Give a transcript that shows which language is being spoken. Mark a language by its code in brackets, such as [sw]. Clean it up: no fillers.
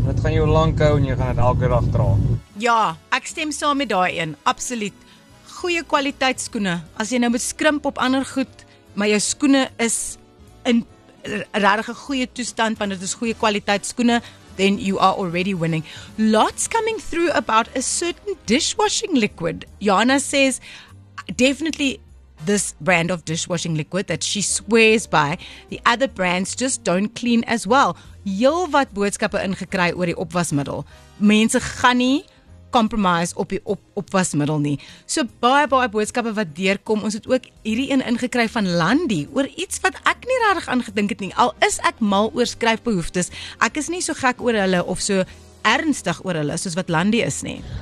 [af] Dit gaan jou lank hou en jy gaan dit elke dag dra. Ja, ek stem saam met daai een. Absoluut. Goeie kwaliteit skoene. As jy nou moet skrimp op ander goed, maar jou skoene is in regtig 'n goeie toestand want dit is goeie kwaliteit skoene. [en] Then you are already winning. Lots coming through about a certain dishwashing liquid. Jana says, definitely this brand of dishwashing liquid that she swears by. The other brands just don't clean as well. [af] Heel wat boodskappe ingekry oor die opwasmiddel. Mense gaan nie compromise op die opwasmiddel nie. So baie boodskappe wat deurkom. Ons het ook hierdie een ingekry van Landy oor iets wat ek nie regtig aangedink het nie. Al is ek mal oor skryfbehoeftes, ek is nie so gek oor hulle of so ernstig oor hulle soos wat Landy is nie.